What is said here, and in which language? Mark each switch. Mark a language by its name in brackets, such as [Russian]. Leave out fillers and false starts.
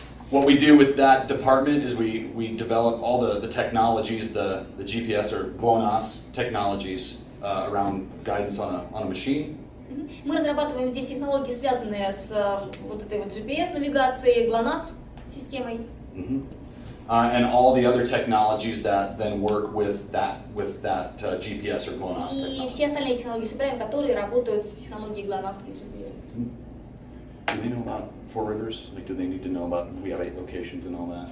[English] What we do with that department is we develop all the technologies, the GPS or GLONASS technologies around guidance on a machine. [Russian] Мы разрабатываем здесь технологии, связанные с вот этой вот GPS-навигацией, GLONASS-системой. Mm-hmm. [English] And all the other technologies that then work with that GPS or GLONASS technology. [Russian] И все остальные технологии собираем, которые работают с технологией GLONASS и GPS. [English] Do they know about Four Rivers? Like, do they need to know about, we have 8 locations and all that?